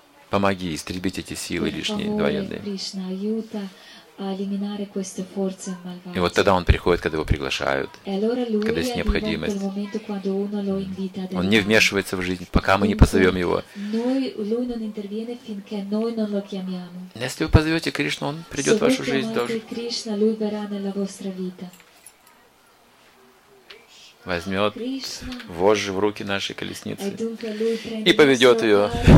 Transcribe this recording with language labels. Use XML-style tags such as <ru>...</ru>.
<ru>Помоги истребить эти силы лишние, военные.</ru> <it>Krishna, aiuta a eliminare queste forze malvagie.</it> <ru>И вот тогда он приходит, когда его приглашают,</ru> <it>allora</it> <ru>когда есть необходимость.</ru> <it>Quel momento, quando uno lo invita,</it> <ru>он не вмешивается в жизнь, пока мы не позовем его.</ru> <it>Lui non interviene finché noi non lo chiamiamo.</it> <ru>Если вы позовете Кришну, он придет в вашу жизнь тоже.</ru> <it>Krishna, lui verrà nella vostra vita.</it> <ru>Возьмет вожжи в руки нашей колесницы и поведет ее.</ru>